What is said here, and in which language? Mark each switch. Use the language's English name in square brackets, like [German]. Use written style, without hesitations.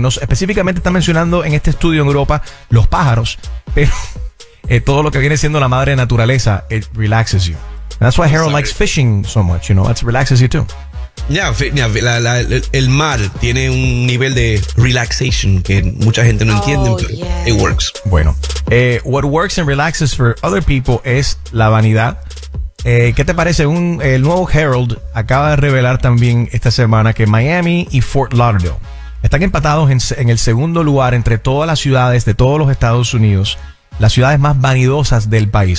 [Spanish] No, específicamente está mencionando en este estudio en Europa los pájaros. Pero todo lo que viene siendo la madre naturaleza, [English] it relaxes you. And that's why Harold likes fishing so much, you know. That relaxes you too. [Spanish] El mar tiene un nivel de relaxation que mucha gente no entiende, pero [English] it works. [Spanish] Bueno, [English] what works and relaxes for other people [Spanish] es la vanidad. ¿Qué te parece? El nuevo Herald acaba de revelar también esta semana que Miami y Fort Lauderdale están empatados en el segundo lugar entre todas las ciudades de todos los Estados Unidos, las ciudades más vanidosas del país.